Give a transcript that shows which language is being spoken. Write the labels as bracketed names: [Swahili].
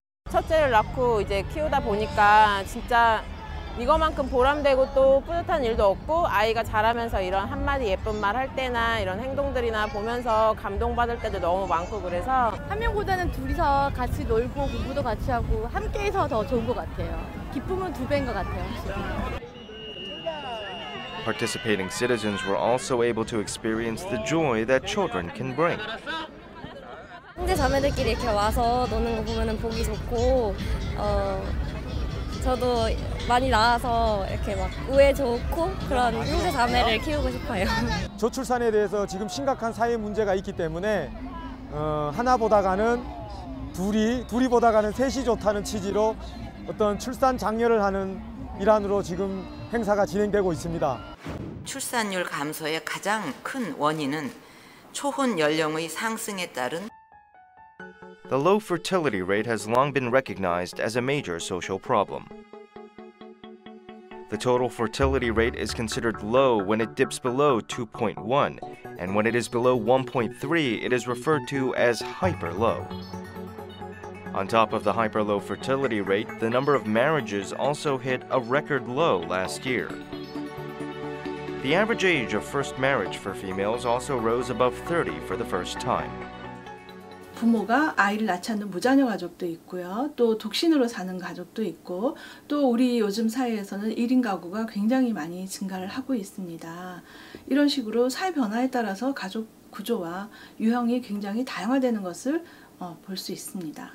[Korean] 첫째를 낳고 이제 키우다 보니까 진짜 이거만큼 보람되고 또 뿌듯한 일도 없고 아이가 자라면서 이런 한마디 예쁜 말 할 때나 이런 행동들이나 보면서 감동받을 때도 너무 많고 그래서 한 명보다는 둘이서 같이 놀고 공부도 같이 하고 함께해서 더 좋은 것 같아요. 기쁨은 두 배인 것 같아요. [English] Participating citizens were also able to experience the joy that children can bring. [Korean] 형제 자매들끼리 이렇게 와서 노는 거 보면은 보기 좋고 저도 많이 나와서 이렇게 막 우애 좋고 그런 형제 자매를 키우고 싶어요. 저출산에 대해서 지금 심각한 사회 문제가 있기 때문에 하나보다가는 둘이보다가는 셋이 좋다는 취지로 어떤 출산 장려를 하는 일환으로 지금 행사가 진행되고 있습니다. 출산율 감소의 가장 큰 원인은 초혼 연령의 상승에 따른 [English] The low fertility rate has long been recognized as a major social problem. The total fertility rate is considered low when it dips below 2.1, and when it is below 1.3, it is referred to as hyper-low. On top of the hyper-low fertility rate, the number of marriages also hit a record low last year. The average age of first marriage for females also rose above 30 for the first time. [Korean] 부모가 아이를 낳지 않는 무자녀 가족도 있고요. 또 독신으로 사는 가족도 있고 또 우리 요즘 사회에서는 1인 가구가 굉장히 많이 증가를 하고 있습니다. 이런 식으로 사회 변화에 따라서 가족 구조와 유형이 굉장히 다양화되는 것을 볼 수 있습니다.